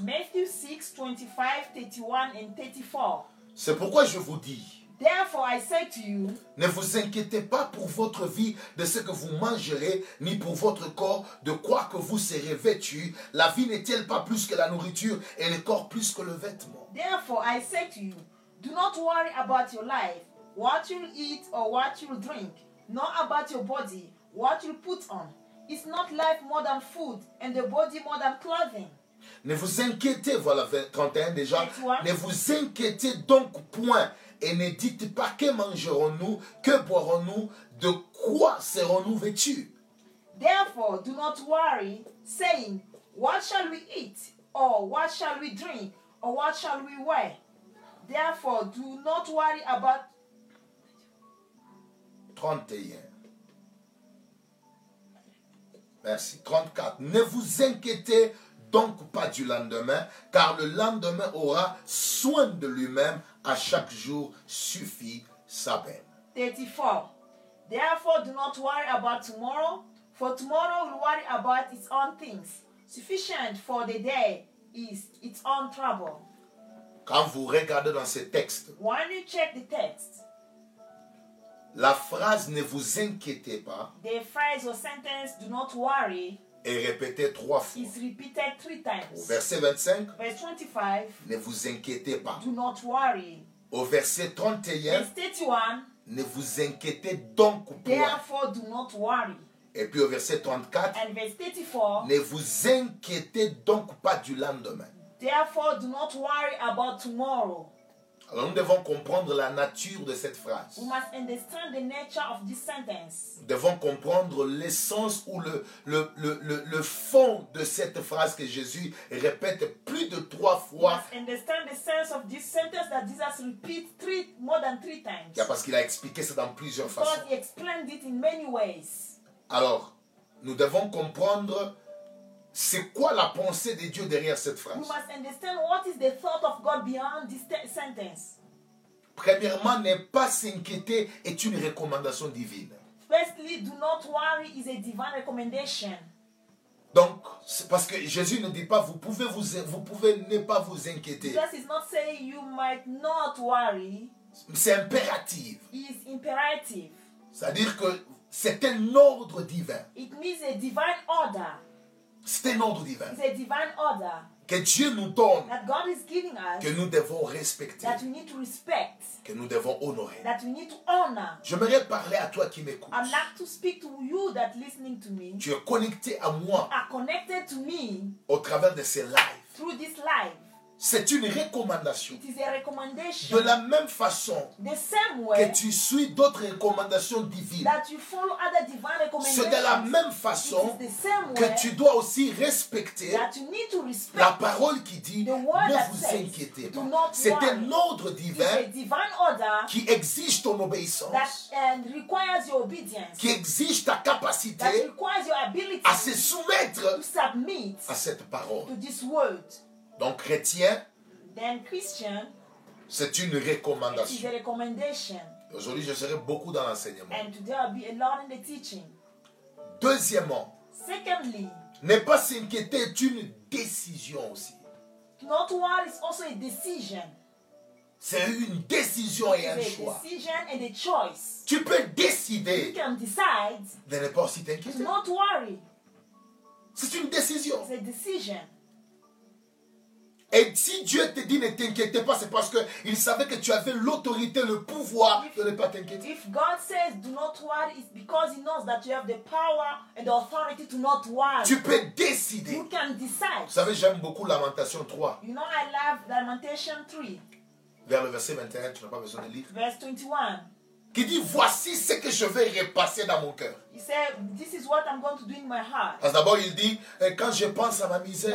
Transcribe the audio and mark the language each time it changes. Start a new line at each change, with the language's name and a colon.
English: Matthew 6, 25, 31 and 34.
French: C'est pourquoi je vous dis.
English: Therefore I say to you.
French: Ne vous inquiétez pas pour votre vie de ce que vous mangerez, ni pour votre corps de quoi que vous serez vêtu. La vie n'est-elle pas plus que la nourriture et le corps plus que le vêtement?
English: Therefore I say to you, do not worry about your life, what you'll eat or what you'll drink, nor about your body, what you'll put on. Is not life more than food and the body more than clothing?
French: Ne vous inquiétez, voilà 31 déjà. 31. Ne vous inquiétez donc point et ne dites pas que mangerons-nous, que boirons-nous, de quoi serons-nous vêtus?
English: Therefore, do not worry, saying, what shall we eat, or what shall we drink, or what shall we wear? Therefore, do not worry about. 31.
French: Merci. 34. Ne vous inquiétez donc pas du lendemain, car le lendemain aura soin de lui-même. À chaque jour suffit sa peine. 34.
English: Therefore, do not worry about tomorrow, for tomorrow will worry about its own things. Sufficient for the day is its own trouble.
French: Quand vous regardez dans ce texte,
English: when you check the text,
French: la phrase ne vous inquiétez pas.
English: The phrase or sentence do not worry.
French: Est répétée trois fois.
English: Is repeated three times.
French: Au verset 25.
English: Verse 25.
French: Ne vous inquiétez pas.
English: Do not worry.
French: Au verset 31.
English: Verse 31.
French: Ne vous inquiétez donc pas.
English: Therefore do not worry.
French: Et puis au verset 34.
English: And verse 34.
French: Ne vous inquiétez donc pas du lendemain.
English: Therefore do not worry about tomorrow.
French: Alors nous devons comprendre la nature de cette phrase.
English: We must understand the nature of this sentence.
French: Nous devons comprendre l'essence ou le fond de cette phrase que Jésus répète plus de trois fois.
English: We must understand the sense of this sentence that Jesus repeats more than three times.
French: Yeah, parce qu'il a expliqué ça dans plusieurs
English: because
French: façons.
English: He explained it in many ways.
French: Alors, nous devons comprendre c'est quoi la pensée de Dieu derrière cette phrase.
English: We must understand what is the thought of God behind this sentence.
French: Premièrement, ne pas s'inquiéter est une recommandation divine.
English: Firstly, do not worry is a divine recommendation.
French: Donc, c'est parce que Jésus ne dit pas vous pouvez ne pas vous inquiéter.
English: Jesus is not saying you might not worry.
French: C'est impératif.
English: It's imperative.
French: C'est-à-dire que c'est un ordre divin.
English: It means a divine order.
French: C'est un ordre divin.
English: It's a divine order.
French: Que Dieu nous donne.
English: That God is giving us.
French: Que nous devons respecter.
English: That we need to respect.
French: Que nous devons honorer.
English: That we need to honor.
French: J'aimerais parler à toi qui m'écoutes.
English: I'd like to speak to you that listening to me.
French: Tu es connecté à moi.
English: Are connected to me.
French: Au travers de ces lives.
English: Through this live.
French: C'est une recommandation.
English: It is a recommendation.
French: De la même façon.
English: The same way.
French: Que tu suis d'autres recommandations divines.
English: That you follow other divine recommendations.
French: C'est de la même façon.
English: It is the same way.
French: Que tu dois aussi respecter.
English: That you need to respect.
French: La parole qui dit.
English: The word
French: ne vous inquiétez
English: says,
French: pas.
English: Do not worry.
French: C'est un ordre divin.
English: It is a divine order.
French: Qui exige ton obéissance.
English: That and requires your obedience.
French: Qui exige ta capacité.
English: That requires your ability.
French: À se soumettre.
English: To submit.
French: À cette parole.
English: To this word.
French: Donc chrétien,
English: then Christian,
French: c'est une recommandation.
English: It is a recommendation.
French: Aujourd'hui, je serai beaucoup dans l'enseignement.
English: And today I'll be a lot in the teaching.
French: Deuxièmement,
English: secondly,
French: ne pas s'inquiéter est une décision aussi.
English: Not to worry is also a decision.
French: C'est une décision et un choix.
English: Decision and a choice.
French: Tu peux décider.
English: You can decide.
French: De ne pas aussi t'inquiéter.
English: Not to worry.
French: C'est une décision.
English: It's a decision.
French: Et si Dieu te dit ne t'inquiète pas, c'est parce que il savait que tu avais l'autorité, le pouvoir de ne pas t'inquiéter.
English: If God says do not worry, it's because he knows that you have the power and the authority to not worry.
French: Tu peux décider.
English: You can decide.
French: Vous savez, j'aime beaucoup Lamentations 3.
English: You know I love Lamentation 3.
French: Vers le verset 21, tu n'as pas besoin de lire.
English: Verse 21.
French: Qui dit voici ce que je vais repasser dans mon cœur.
English: He said this is what I'm going to do in my heart.
French: Parce d'abord il dit quand je pense à ma misère.